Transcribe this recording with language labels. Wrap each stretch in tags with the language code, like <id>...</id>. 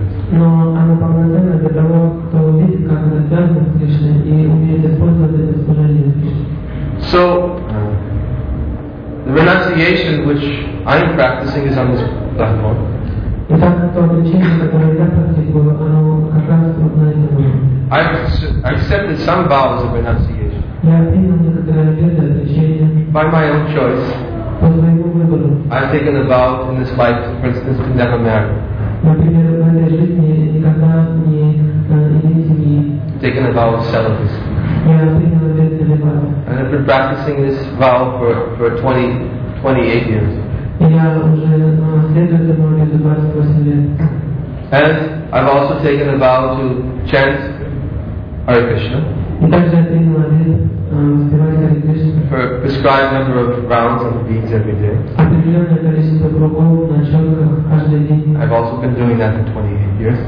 <ru>Но оно полноценно для того, кто увидит, как это связано с Кришной и умеет использовать это служение с Кришной.</ru> <en>So, the renunciation which I'm practicing is on this platform.</en> <ru>Итак, то обличение, которое я практикую, оно как раз вот на этом уровне.</ru> <en>I've accepted some vows of renunciation.</en> <ru>Я принял некоторые обеты обличения.</ru> <en>By my own choice.</en> <ru>По своему выбору.</ru> <en>I've taken a vow in this life, for instance, to never marry.</en> <ru>Например, в этой жизни никогда не иметь семьи.</ru> <en>Taken a vow of celibacy.</en> <ru>Я принял обет целибата.</ru> <en>And I've been practicing this vow for 28 years.</en> <ru>Я уже следую этому обету 28 лет.</ru> <en>And I've also taken a vow to chant Hare Krishna.</en> <ru>И также я принял обет воспевать Hare Krishna.</ru> <en>For a prescribed number of rounds of beads every day. I've also been doing that for 28 years.</en>